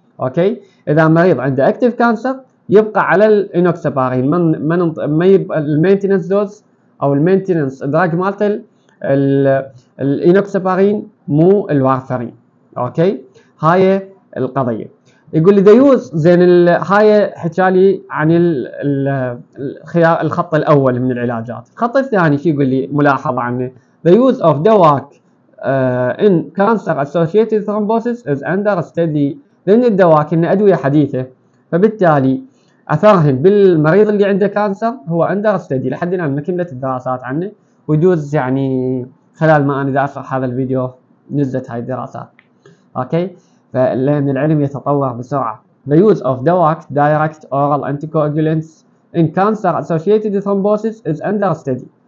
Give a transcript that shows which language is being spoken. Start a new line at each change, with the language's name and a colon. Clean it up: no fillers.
Arabic: اوكي اذا مريض عنده اكتيف كانسر يبقى على الانوكسابارين، من ما المينتنس دوز او المينتنس دراج مالتل الانوكسابارين مو الوارفارين. اوكي هاي القضيه. يقول لي ديوز زين هاي حكالي عن الخيار الخط الاول من العلاجات. الخط الثاني شو يقول لي ملاحظه عنه؟
English: The use of DOAC in cancer associated thrombosis is under study.
Arabic: لان الدواك ان ادويه حديثه فبالتالي اثرهم بالمريض اللي عنده كانسر هو
English: under study
Arabic: لحد الان ما كملت الدراسات عنه. ويجوز يعني خلال ما انا اشرح هذا الفيديو نزلت هاي الدراسات. اوكي لان العلم يتطور بسرعه.
English: The use of DOAC direct oral anticoagulants in cancer associated thrombosis is under study.